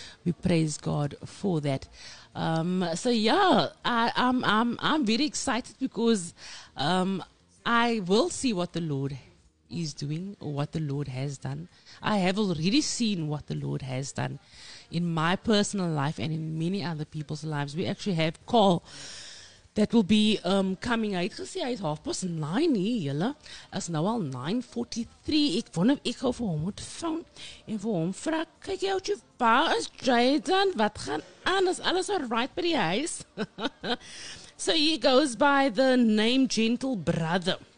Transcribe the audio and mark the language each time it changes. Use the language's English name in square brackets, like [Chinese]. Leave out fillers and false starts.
[English] We praise God for that. I'm very excited because I will see what the Lord is doing or what the Lord has done. I have already seen what the Lord has done in my personal life and in many other people's lives. We actually have call that will be coming out. [Afrikaans] Ek gesê hy is 9:30 hier, julle. Is nou al 9:43. Ek wonder ek gou vir hom moet vang en vir hom vra, kyk jy out jou pa is Jayden, wat gaan aan? Is alles al right by die huis? [English] So he goes by the name Gentle Brother.